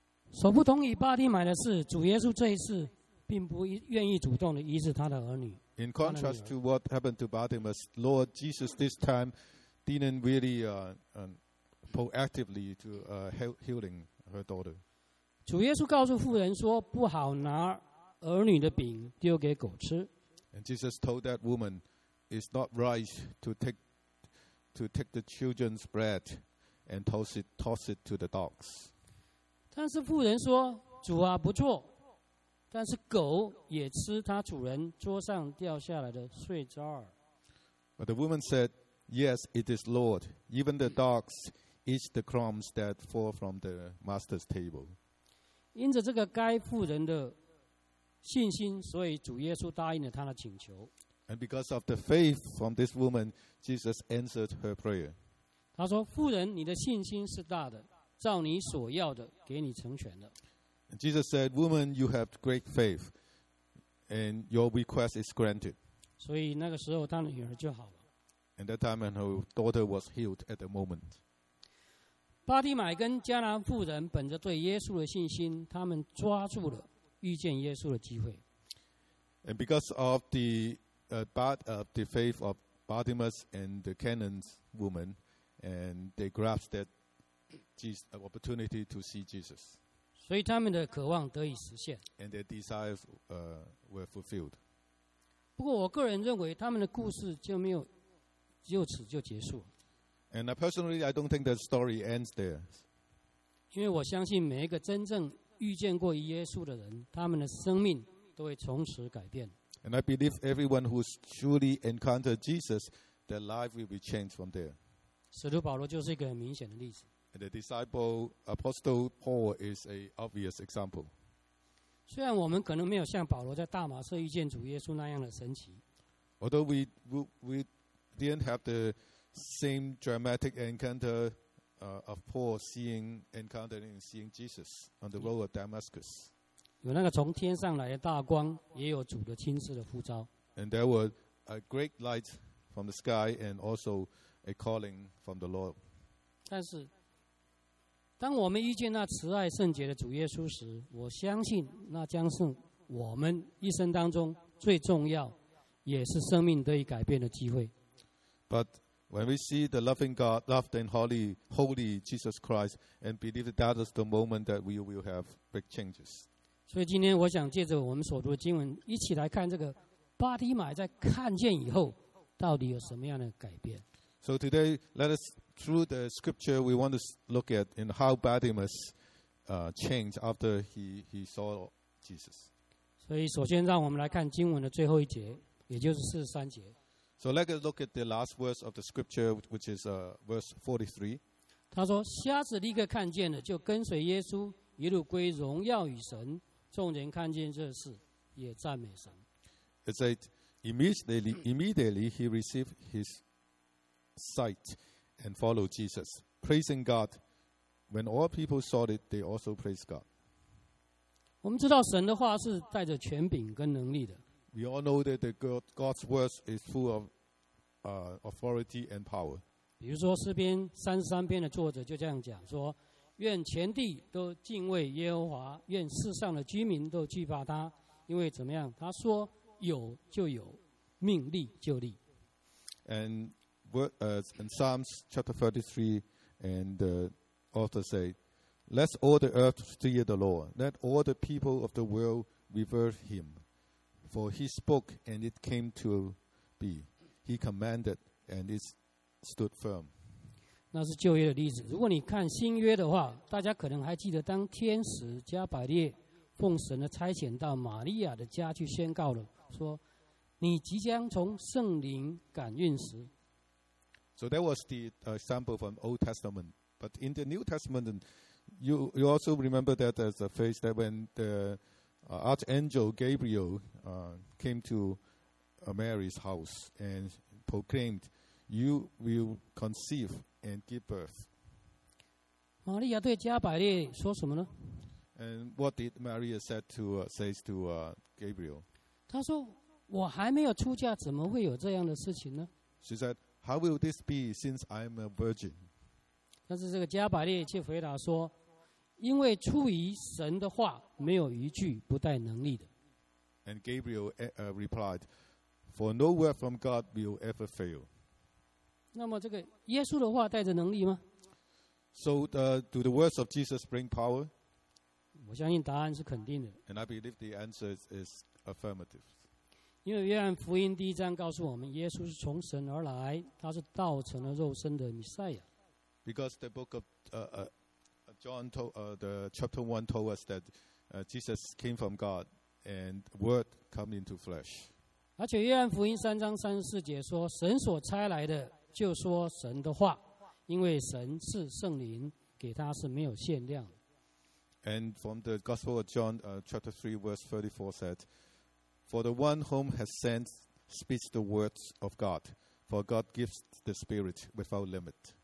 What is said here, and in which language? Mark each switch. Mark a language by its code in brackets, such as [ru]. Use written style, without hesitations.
[zh] 所不同于巴提买的是，主耶稣这一次并不愿意主动的医治他的儿女。 [en] In contrast to what happened to Bartimaeus, Lord Jesus this time didn't really proactively to healing her daughter. [zh] 主耶稣告诉妇人说：“不好拿儿女的饼丢给狗吃。” [en] And Jesus told that woman, "It's not right to take the children's bread and toss it to the dogs." [zh] 但是妇人说：“主啊，不错，但是狗也吃它主人桌上掉下来的碎渣儿。” [en] But the woman said, "Yes, it is, Lord. Even the dogs eat the crumbs that fall from the master's table." [zh] 因着这个该妇人的信心，所以主耶稣答应了他的请求。 [en] And because of the faith from this woman, Jesus answered her prayer. [zh] 他说：“妇人，你的信心是大的，照你所要的，给你成全了。” [en] Jesus said, "Woman, you have great faith, and your request is granted." [zh] 所以那个时候，他的女儿就好了。 [en] And that time, her daughter was healed at the moment. [zh] 巴蒂买跟迦南妇人本着对耶稣的信心，他们抓住了遇见耶稣的机会。 [en] And because of the faith of Bartimaeus and the Canaan's woman, and they grasped that opportunity to see Jesus. [zh] 所以他们的渴望得以实现。 [en] And their desires were fulfilled. [zh] 不过我个人认为他们的故事就没有就此就结束。 [en] And personally, I don't think the story ends there. [zh] 因为我相信每一个真正遇见过耶稣的人，他们的生命都会从此改变。 [en] And I believe everyone who's truly encountered Jesus, their life will be changed from there. [zh] 使徒保罗就是一个很明显的例子。 [en] And the disciple apostle Paul is an obvious example. [zh] 虽然我们可能没有像保罗在大马色遇见主耶稣那样的神奇。 [en] Although we didn't have the same dramatic encounter of Paul encountering Jesus on the road of Damascus. [zh] 有那个从天上来的大光，也有主的亲自的呼召。 [en] And there was a great light from the sky, and also a calling from the Lord. [zh] 但是，当我们遇见那慈爱圣洁的主耶稣时，我相信那将是我们一生当中最重要，也是生命得以改变的机会。 [en] But when we see the loving God, loved and holy Jesus Christ, and believe that is the moment that we will have big changes. [zh] 所以今天我想借着我们所读的经文，一起来看这个巴提买在看见以后到底有什么样的改变。 [en] So today, let us through the scripture, we want to look at in how Bartimaeus changed after he saw Jesus. [zh] 所以首先让我们来看经文的最后一节，也就是43节。 [en] So let us look at the last verse of the scripture, which is verse 43. [zh] 他说，瞎子立刻看见了，就跟随耶稣，一路归荣耀与神。众人看见这事，也赞美神。 [en] It said, immediately he received his sight and followed Jesus, praising God. When all people saw it, they also praised God. [zh] 我们知道神的话是带着权柄跟能力的。 [en] We all know that God's word is full of authority and power. [zh] 比如说诗篇33篇的作者就这样讲说，愿全地都敬畏耶和华，愿世上的居民都惧怕他，因为怎么样？他说有就有，命立就立。 [en] And in Psalms chapter 33, and the author said, Let all the earth fear the Lord. Let all the people of the world revere him. For he spoke, and it came to be. He commanded, and it stood firm. [zh] 那是旧约的例子。如果你看新约的话，大家可能还记得，当天使加百列奉神的差遣到玛利亚的家去宣告了，说你即将从圣灵感孕时。 [en] So that was the example from Old Testament. But in the New Testament, you also remember that as a phase that when the archangel Gabriel came to Mary's house and proclaimed, "You will conceive." And give birth. [zh] 玛利亚对加百列说什么呢 [en] ？And what did Maria say to Gabriel? [zh] 她说：“我还没有出嫁，怎么会有这样的事情呢 [en] ？”She said, "How will this be since I'm a virgin?" [zh] 但是这个加百列却回答说：“因为出于神的话，没有一句不带能力的。 [en] ”And Gabriel replied, "For no word from God will ever fail." [zh] 那么这个耶稣的话带着能力吗 [en] ？So do the words of Jesus bring power? [zh] 我相信答案是肯定的。 [en] And I believe the answer is affirmative. [zh] 因为约翰福音第一章告诉我们，耶稣是从神而来，他是道成了肉身的弥赛亚。 [en] Because the book of John told the chapter 1 told us that Jesus came from God and Word come into flesh. [zh] 而且约翰福音三章34节说，神所差来的。就说神的话，因为神是圣灵，给他是没有限量的。 [en] And from the Gospel of John, chapter 3, verse 34 said, "For the one whom has sent speaks the words of God, for God gives the Spirit without limit."